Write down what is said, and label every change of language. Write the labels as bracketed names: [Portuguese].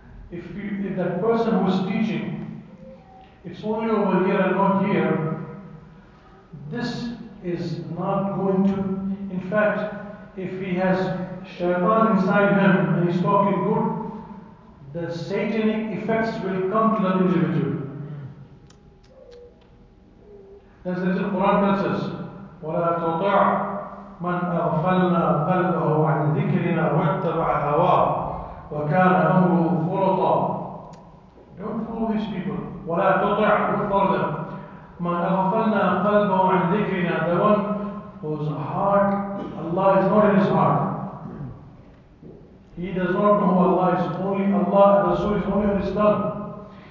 [English] If that person who is teaching, it's only over here and not here, this is not going to, in fact, if he has shaitan inside him and he's talking good, the satanic effects will come to that individual. That's the Quran tells us, [Arabic] وَلَا تُطَعْ مَنْ أَغْفَلْنَا قَلْبَهُ عَنْ ذِكْرِنَا وَاتَّبَعَ هَوَاهُ وَكَانَ أَمْرُهُ فُرَطًا. [English] Don't follow these people. [Arabic] وَلَا تُطَعْ وَفَرْدًا مَنْ أَغْفَلْنَا قَلْبَهُ عَنْ ذِكْرِنَا. [English] The one whose heart, Allah is not in his heart. He does not know who Allah is. Only Allah and Rasul is only on his tongue.